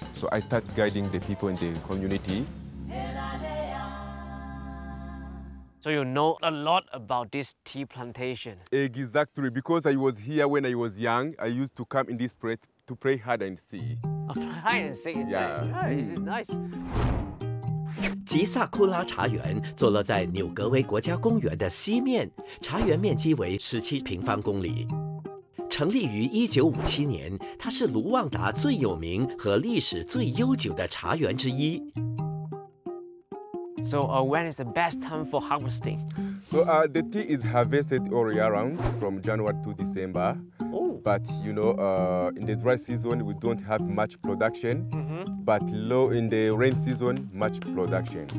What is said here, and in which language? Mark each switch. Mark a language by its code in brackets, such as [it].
[en] So I start guiding the people in the community. So you know a lot about this tea plantation. Exactly, because I was here when I was young. I used to come in this place to pray hide and see. Hide and see, it's nice. [zh] 吉萨库拉茶园坐落在纽格威国家公园的西面，茶园面积为17平方公里。成立于1957年，它是卢旺达最有名和历史最悠久的茶园之一。 [en] So, when is the best time for harvesting? So, the tea is harvested all year round, from January to December. But you know, in the dry season we don't have much production. But low in the rain season, much production.